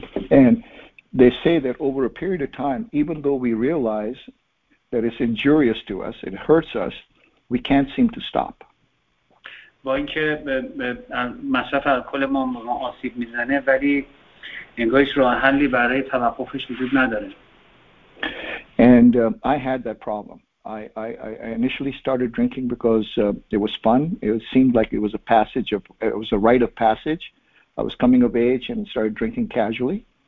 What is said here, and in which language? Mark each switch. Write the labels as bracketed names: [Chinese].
[English] And they say that over a period of time, even though we realize that it's injurious to us, it hurts us, we can't seem to stop. [Persian] با اینکه مصرف الکل ما آسیب میزنه، ولی انگارش راه حلی برای توقفش وجود نداره. [English] And I had that problem. I initially started drinking because it was fun. It seemed like it was a rite of passage. I was coming of age and started drinking casually.